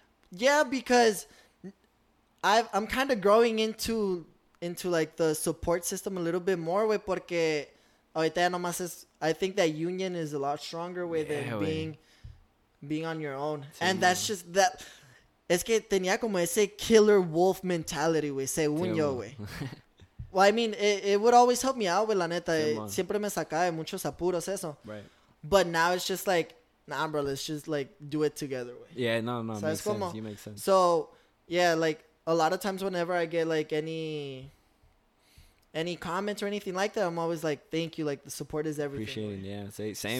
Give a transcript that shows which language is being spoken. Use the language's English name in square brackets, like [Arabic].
[English] Yeah, because I'm kind of growing into like the support system a little bit more, way, [Spanish] porque ahorita nomás es, [English] I think that union is a lot stronger than being on your own. Sí, and that's just that. [Spanish] Es que tenía como ese [English] killer wolf mentality, [Spanish] way, según yo, way. [English] Well, I mean, it would always help me out, way, [Spanish] la neta. Sí, siempre me sacaba de muchos apuros eso. [English] Right. But now it's just like, nah, bro, let's just like do it together, way. Yeah, no, so makes como, sense. You make sense. So, yeah, like, a lot of times whenever I get, like, any comments or anything like that, I'm always like, thank you. Like, the support is everything. Appreciating, yeah. Same